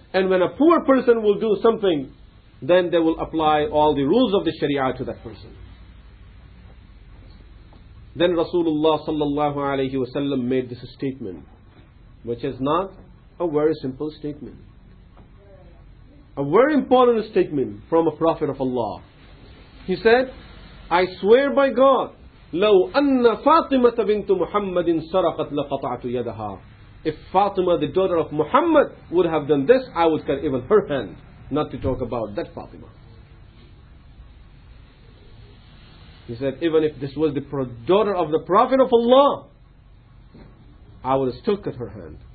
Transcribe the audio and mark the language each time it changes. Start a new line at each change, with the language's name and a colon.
English: And when a poor person will do something, then they will apply all the rules of the sharia to that person. Then Rasulullah sallallahu alayhi wa sallam made this statement, which is not a very simple statement. A very important statement from a Prophet of Allah. He said, I swear by God,
Arabic: لو أن فاطمة بنت محمد سرقت لقطعت يدها.
English: If Fatima, the daughter of Muhammad, would have done this, I would cut even her hand. Not to talk about that Fatima. He said, even if this was the daughter of the Prophet of Allah, I would still cut her hand.